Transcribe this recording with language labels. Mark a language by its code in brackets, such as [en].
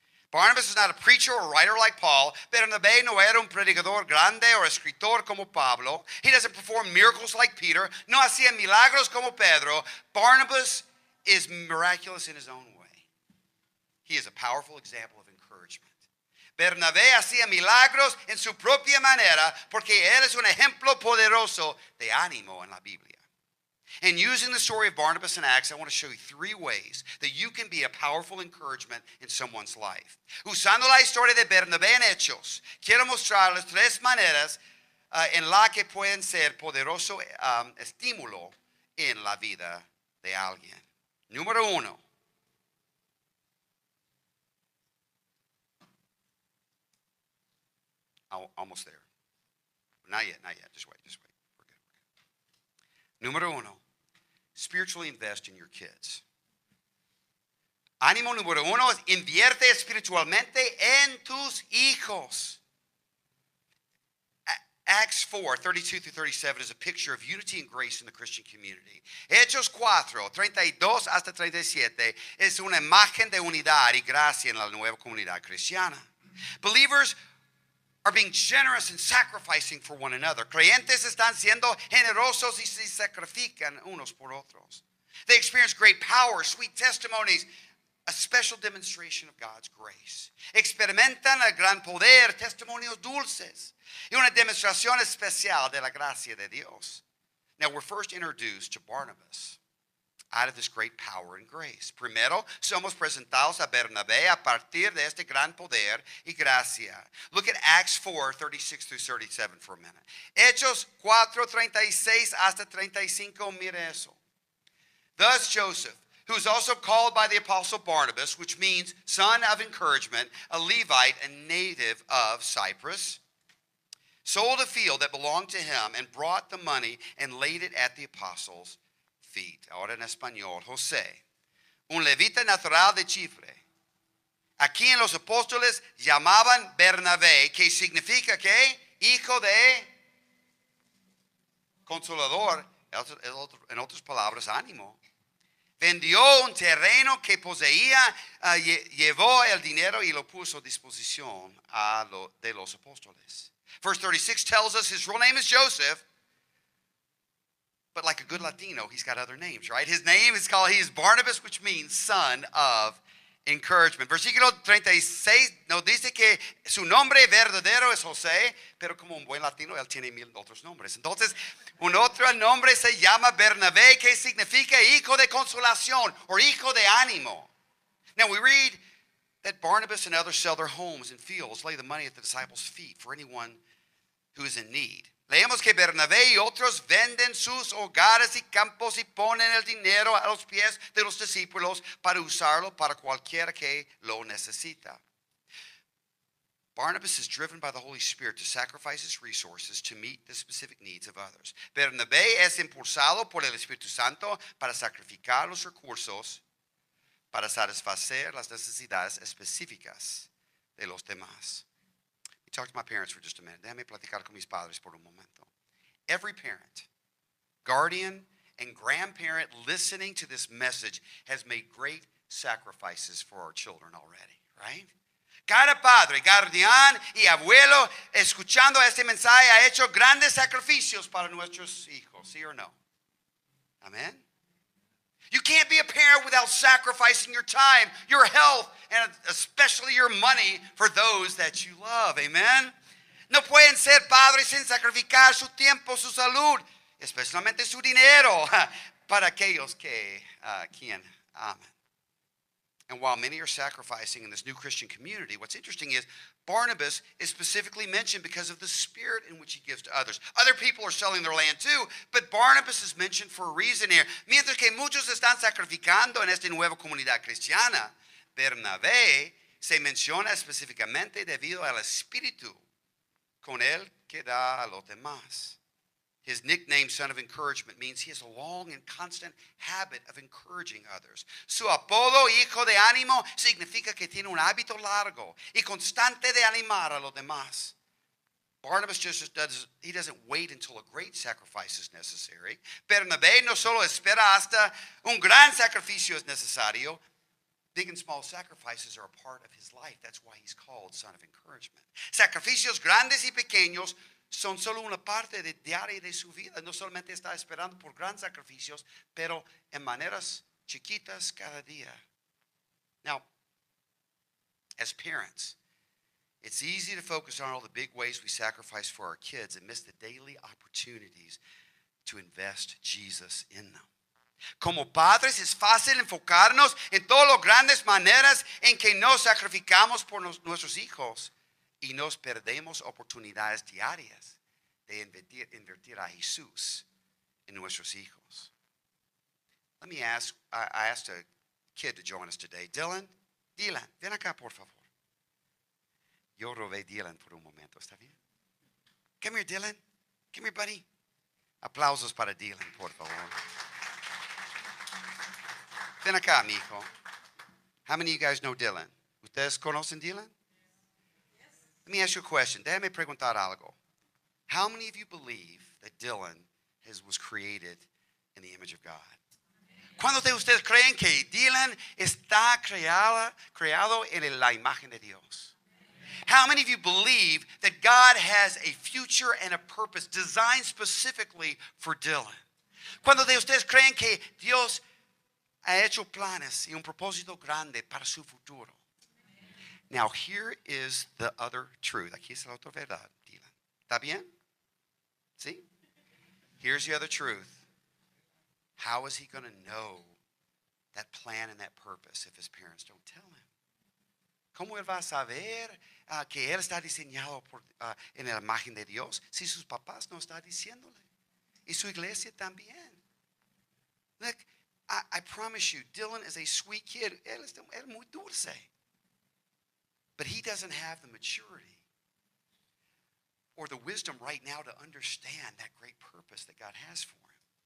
[en] Barnabas is not a preacher or writer like Paul. [es] Bernabé no era un predicador grande o escritor como Pablo. [en] He doesn't perform miracles like Peter. [es] No hacía milagros como Pedro. [en] Barnabas is miraculous in his own way. He is a powerful example of encouragement. [es] Bernabé hacía milagros en su propia manera porque él es un ejemplo poderoso de ánimo en la Biblia. [en] And using the story of Barnabas in Acts, I want to show you three ways that you can be a powerful encouragement in someone's life. [es] Usando la historia de Bernabé en Hechos, quiero mostrarles tres maneras en la que pueden ser poderoso estímulo en la vida de alguien. Número uno. [en] Almost there. Not yet, not yet. Just wait. We're good. [es] Número uno, [en] spiritually invest in your kids. [es] Ánimo número uno, invierte espiritualmente en tus hijos. [en] Acts 4, 32 through 37 is a picture of unity and grace in the Christian community. [es] Hechos 4, 32 hasta 37 es una imagen de unidad y gracia en la nueva comunidad cristiana. [en] Believers are being generous and sacrificing for one another. [es] Creyentes están siendo generosos y se sacrifican unos por otros. [en] They experience great power, sweet testimonies, a special demonstration of God's grace. [es] Experimentan el gran poder, testimonios dulces, y una demostración especial de la gracia de Dios. [en] Now we're first introduced to Barnabas out of this great power and grace. [es] Primero, somos presentados a Bernabé a partir de este gran poder y gracia. [en] Look at Acts 4, 36 through 37 for a minute. [es] Hechos 4, 36 hasta 35, mire eso. [en] Thus Joseph, who is also called by the apostle Barnabas, which means son of encouragement, a Levite, a native of Cyprus, sold a field that belonged to him and brought the money and laid it at the apostles' feet. [es] Ahora en español, José, un levita natural de Chipre, a quien los apóstoles llamaban Bernabé, que significa que hijo de consolador, en otras palabras, ánimo, vendió un terreno que poseía, llevó el dinero y lo puso a disposición de los apóstoles. [en] Verse 36 tells us his real name is Joseph, but like a good Latino, he's got other names, right? His name is called, he is Barnabas, which means son of encouragement. [es] Versículo 36 nos dice que su nombre verdadero es José, pero como un buen Latino, él tiene mil otros nombres. Entonces, un otro nombre se llama Bernabé, que significa hijo de consolación o hijo de ánimo. [en] Now we read that Barnabas and others sell their homes and fields, lay the money at the disciples' feet for anyone who is in need. [es] Leemos que Bernabé y otros venden sus hogares y campos y ponen el dinero a los pies de los discípulos para usarlo para cualquiera que lo necesita. [en] Barnabas is driven by the Holy Spirit to sacrifice his resources to meet the specific needs of others. [es] Bernabé es impulsado por el Espíritu Santo para sacrificar los recursos para satisfacer las necesidades específicas de los demás. [en] Talk to my parents for just a minute. [es] Déjame platicar con mis padres por un momento. [en] Every parent, guardian, and grandparent listening to this message has made great sacrifices for our children already, right? [es] Cada padre, guardián, y abuelo escuchando este mensaje ha hecho grandes sacrificios para nuestros hijos, ¿sí o no? [en] Amen. You can't be a parent without sacrificing your time, your health, and especially your money for those that you love. Amen? [es] No pueden ser padres sin sacrificar su tiempo, su salud, especialmente su dinero, para aquellos que quien aman. [en] And while many are sacrificing in this new Christian community, what's interesting is Barnabas is specifically mentioned because of the spirit in which he gives to others. Other people are selling their land too, but Barnabas is mentioned for a reason here. [es] Mientras que muchos están sacrificando en esta nueva comunidad cristiana, Bernabé se menciona específicamente debido al espíritu con el que da a los demás. [en] His nickname, Son of Encouragement, means he has a long and constant habit of encouraging others. [es] Su apodo, Hijo de Ánimo, significa que tiene un hábito largo y constante de animar a los demás. [en] Barnabas doesn't wait until a great sacrifice is necessary. [es] Bernabé no solo espera hasta un gran sacrificio es necesario. [en] Big and small sacrifices are a part of his life. That's why he's called Son of Encouragement. [es] Sacrificios grandes y pequeños son solo una parte de diaria de su vida. No solamente está esperando por grandes sacrificios, pero en maneras chiquitas cada día. [en] Now, as parents, it's easy to focus on all the big ways we sacrifice for our kids and miss the daily opportunities to invest Jesus in them. [es] Como padres, es fácil enfocarnos en todas las grandes maneras en que nos sacrificamos por nuestros hijos. Y nos perdemos oportunidades diarias de invertir a Jesús en nuestros hijos. [en] Let me ask, I asked a kid to join us today. Dylan, [es] ven acá, por favor. Yo robé Dylan por un momento, ¿está bien? [en] Come here, Dylan. Come here, buddy. [es] Aplausos para Dylan, por favor. Ven acá, mi hijo. [en] How many of you guys know Dylan? [es] ¿Ustedes conocen Dylan? [en] Yes. Let me ask you a question. [es] Déjame preguntar algo. [en] How many of you believe that Dylan was created in the image of God? [es] ¿Cuántos de ustedes creen que Dylan está creado en la imagen de Dios? [en] How many of you believe that God has a future and a purpose designed specifically for Dylan? [es] ¿Cuántos de ustedes creen que Dios ha hecho planes y un propósito grande para su futuro? [en] Now, here is the other truth. [es] Aquí es la otra verdad, Dylan. ¿Está bien? ¿Sí? [en] Here's the other truth. How is he going to know that plan and that purpose if his parents don't tell him? [es] ¿Cómo él va a saber que él está diseñado en la imagen de Dios si sus papás no están diciéndole? Y su iglesia también. [en] Look, I promise you, Dylan is a sweet kid. [es] Él es muy dulce. [en] But he doesn't have the maturity or the wisdom right now to understand that great purpose that God has for him.